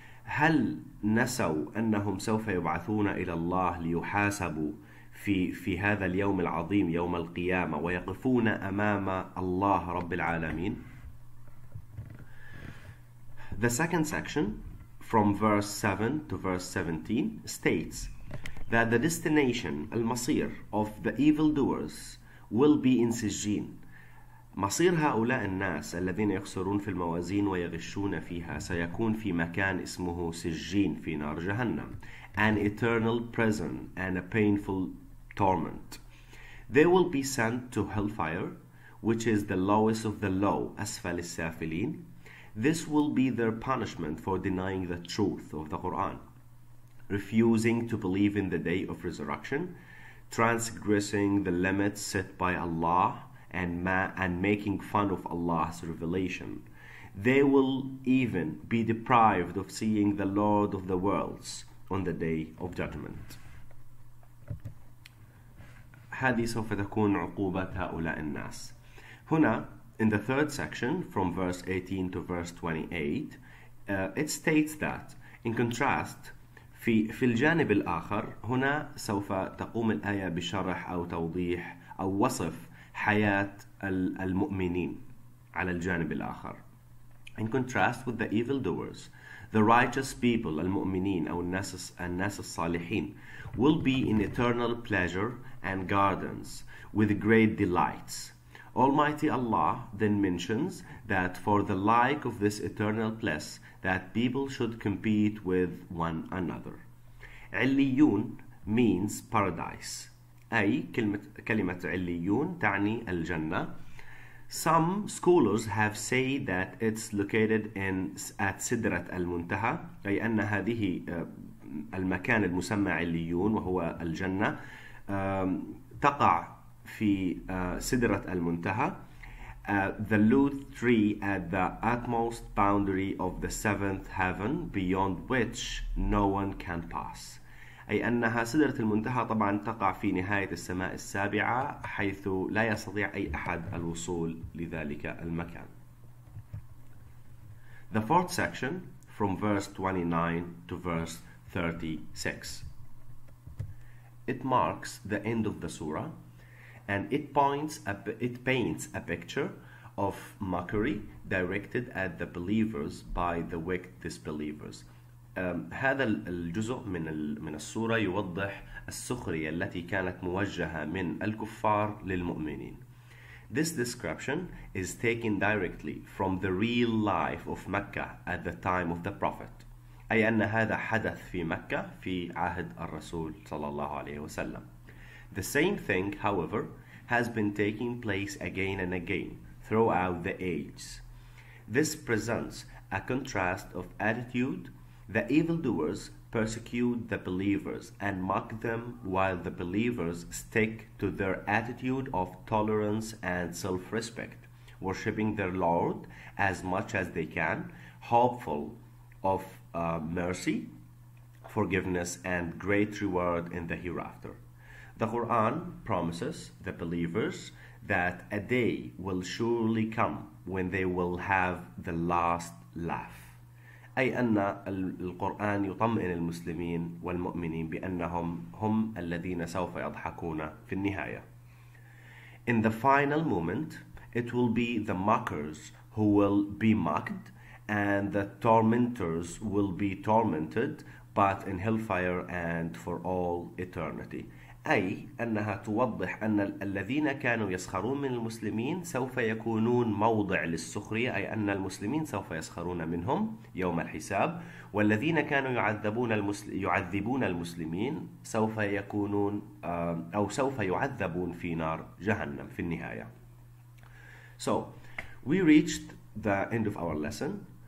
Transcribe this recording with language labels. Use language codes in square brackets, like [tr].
[ar] هل نسوا أنهم سوف يبعثون إلى الله ليحاسبوا في هذا اليوم العظيم يوم القيامة ويقفون أمام الله رب العالمين؟ [en] The second section from verse 7 to verse 17 states that the destination, المصير of the evildoers will be in سجين. [ar] مصير هؤلاء الناس الذين يخسرون في الموازين ويغشون فيها سيكون في مكان اسمه سجين في نار جهنم. [en] An eternal prison and a painful torment. They will be sent to hellfire, which is the lowest of the low, asfal al-safilin. This will be their punishment for denying the truth of the Quran, refusing to believe in the day of resurrection, transgressing the limits set by Allah, and making fun of Allah's revelation. They will even be deprived of seeing the Lord of the worlds on the day of judgment. [ar] هذه سوف تكون عقوبة هؤلاء الناس. هنا, [en] in the third section, from verse 18 to verse 28, it states that, in contrast, [ar] في الجانب الآخر, هنا سوف تقوم الآية بشرح أو توضيح أو وصف حياة المؤمنين على الجانب الآخر. [en] In contrast with the evildoers, the righteous people, [ar] المؤمنين أو الناس الصالحين, [en] will be in eternal pleasure and gardens with great delights. Almighty Allah then mentions that for the like of this eternal bliss, that people should compete with one another. عليون means paradise. [ar] أي كلمة عليون تعني الجنة. [en] Some scholars have said that it's located at [ar] سدرة المنتهى, أي أن هذه المكان المسمى عليون وهو الجنة تقع في سدرة المنتهى. [en] The lute tree at the utmost boundary of the seventh heaven beyond which no one can pass. [ar] أي أنها سدرة المنتهى طبعا تقع في نهاية السماء السابعة حيث لا يستطيع أي أحد الوصول لذلك المكان. [en] The fourth section from verse 29 to verse 36. It marks the end of the surah and it paints a picture of mockery directed at the believers by the wicked disbelievers. [ar] هذا الجزء من السورة يوضح السخرية التي كانت موجهة من الكفار للمؤمنين. [en] This description is taken directly from the real life of Mecca at the time of the Prophet. [ar] أي أن هذا حدث في مكة في عهد الرسول صلى الله عليه وسلم. [en] The same thing, however, has been taking place again and again throughout the ages. This presents a contrast of attitude. The evildoers persecute the believers and mock them while the believers stick to their attitude of tolerance and self-respect, worshipping their Lord as much as they can, hopeful of mercy, forgiveness and great reward in the hereafter. The Quran promises the believers that a day will surely come when they will have the last laugh. [ar] أي أن القرآن يطمئن المسلمين والمؤمنين بأنهم هم الذين سوف يضحكون في النهاية. [en] In the final moment, it will be the mockers who will be mocked and the tormentors will be tormented, but in hellfire and for all eternity. [ar] أي أنها توضح أن الذين كانوا يسخرون من المسلمين سوف يكونون موضع للسخرية, أي أن المسلمين سوف يسخرون منهم يوم الحساب, والذين كانوا يعذبون المسلمين سوف يكونون أو سوف يعذبون في نار جهنم في النهاية. [en] So we reached the end of our lesson.